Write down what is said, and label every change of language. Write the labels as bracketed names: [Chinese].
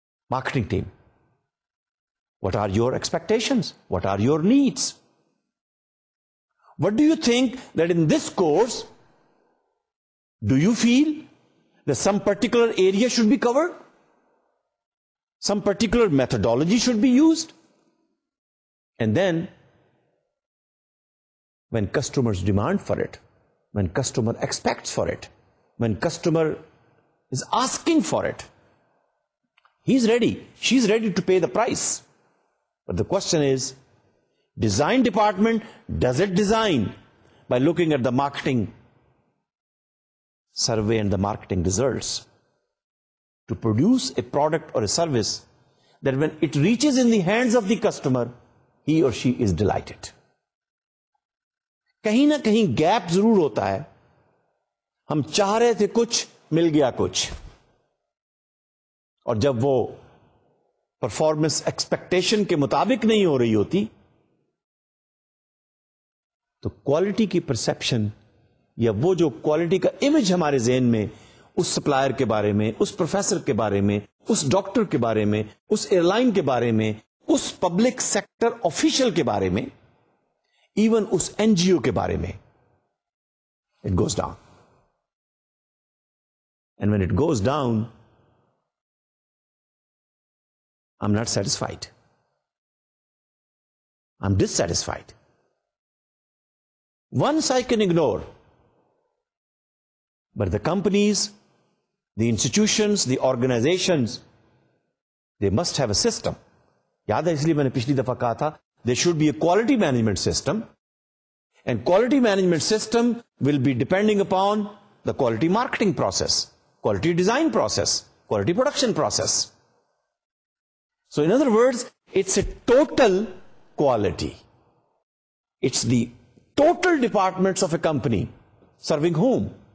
[English] Marketing team, what are your expectations, what are your needs, what do you think that in this course, do you feel that some particular area should be covered? Some particular methodology should be used? And then, when customers demand for it, when customer expects for it, when customer is asking for it, He's ready. She's ready to pay the price. But the question is, design department, does it design by looking at the marketing survey and the marketing results to produce a product or a service that when it reaches in the hands of the customer, he or she is delighted. [Urdu] کہیں نہ کہیں gap ضرور ہوتا ہے. ہم چاہ رہے تھے کچھ, مل گیا کچھ, اور جب وہ پرفارمنس ایکسپیکٹیشن کے مطابق نہیں ہو رہی ہوتی تو کوالٹی کی پرسپشن یا وہ جو کوالٹی کا امیج ہمارے ذہن میں اس سپلائر کے بارے میں, اس پروفیسر کے بارے میں, اس ڈاکٹر کے بارے میں, اس ایئر لائن کے بارے میں, اس پبلک سیکٹر آفیشل کے بارے میں, ایون اس این جی او کے بارے میں, [English] It goes down. And when it goes down, I am not satisfied, I am dissatisfied. Once I can ignore, but the companies, the institutions, the organizations, they must have a system. [Urdu] یاد ہے اس لیے میں نے پچھلی دفعہ کہا تھا, [English] They should be a quality management system. And quality management system will be depending upon the quality marketing process, quality design process, quality production process. So in other words, it's a total quality. It's the total departments of a company serving whom?